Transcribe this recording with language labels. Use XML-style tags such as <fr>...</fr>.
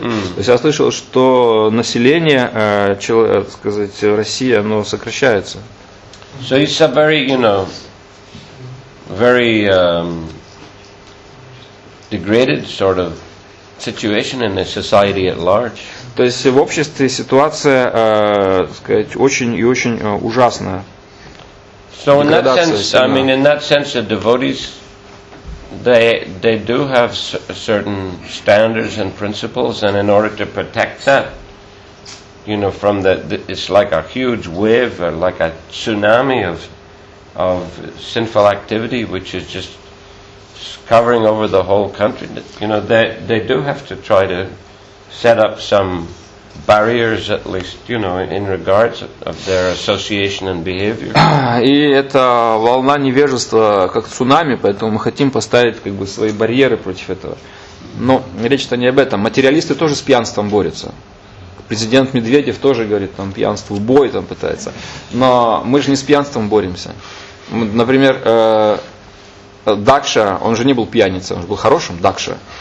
<ru>То есть я слышал, что население, сказать, России, оно сокращается.</ru> <en>So it's a very, you know, very degraded sort of situation in the society at large. То есть в обществе ситуация, сказать, очень и очень ужасная. So in that sense, I mean, in that sense, the devotees, they do have certain standards and principles, and in order to protect that, you know, from the it's like a huge wave or like a tsunami of sinful activity which is just covering over the whole country. You know, they do have to try to set up some barriers, at least, you know, in regards of their association and behavior.</en> <ru>И это волна невежества, как цунами, поэтому мы хотим поставить как бы свои барьеры против этого. Но речь-то не об этом. Материалисты тоже с пьянством борются. Президент Медведев тоже говорит, там пьянство в бой там пытается. Но мы же не с пьянством боремся. Например, Дакша, он же не был пьяницей, он же был хорошим, Дакша.</ru>